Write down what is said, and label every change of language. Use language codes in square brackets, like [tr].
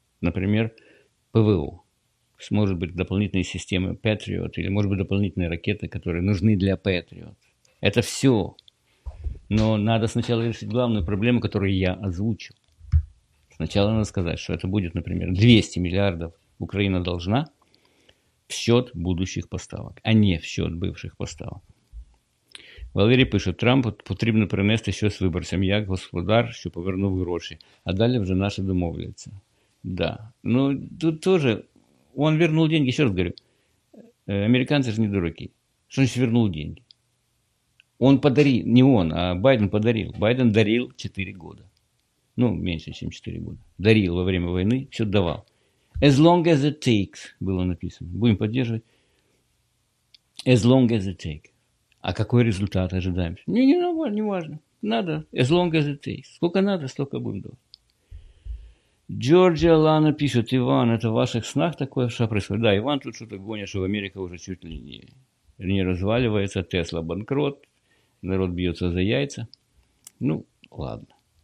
[ru] Например, ПВО. Может быть, дополнительные системы Patriot или, может быть, дополнительные ракеты, которые нужны для Patriot. Это все. Но надо сначала решить главную проблему, которую я озвучил. Сначала надо сказать, что это будет, например, 200 миллиардов Украина должна в счет будущих поставок, а не в счет бывших поставок. [uk] Валерій пише, Трамп потрібно принести щось з виборцям, як господар, що повернув гроші. А далі вже наші домовляться. Да. Ну, тут теж, він вернув гроші, ще раз говорю, американці ж не дураки. Що значить вернув гроші? Він подарив, не він, а Байден подарив. Байден дарив 4 роки. Ну, менше, ніж 4 роки. Дарив [ru] во время [uk] війни, все давав. [en] As long as it takes, [uk] було написано. Будемо підтримувати. As long as it takes. [ru] А какой результат ожидаем? Не важно. Надо. [en] As long as it takes. [ru] Сколько надо, столько будем делать. Джорджия Лана пишет. Иван, это в ваших снах такое, что происходит? Да, Иван тут что-то гонит, что в Америке уже чуть ли не разваливается. Тесла банкрот. Народ бьется за яйца. Ну, ладно.